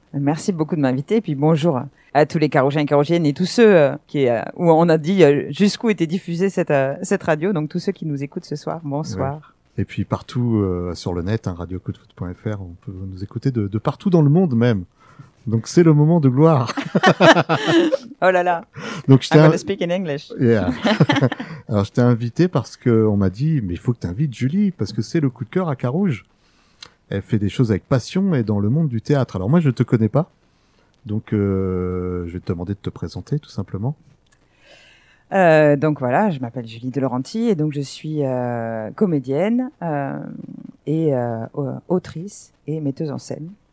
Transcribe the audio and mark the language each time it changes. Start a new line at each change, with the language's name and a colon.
French: Merci beaucoup de m'inviter, et puis bonjour à tous les Carougiens et Carougiennes et tous ceux qui, où on a dit jusqu'où était diffusée cette radio, donc tous ceux qui nous écoutent ce soir, bonsoir. Ouais. Et puis partout sur le net, hein, radiocoupdefoot.fr, on peut nous écouter de partout dans le monde même. Donc c'est le moment de gloire. Oh là là, donc,
English: I'm going to speak in English. Yeah.
French: Alors je t'ai invité parce qu'on m'a dit, mais il faut que tu invites Julie, parce que c'est le coup de cœur à Carouge. Elle fait des choses avec passion et dans le monde du théâtre. Alors moi, je ne te connais pas, donc je vais te demander de te présenter tout simplement. Donc voilà, je m'appelle Julie de Laurenti et donc je suis comédienne et autrice et metteuse en scène.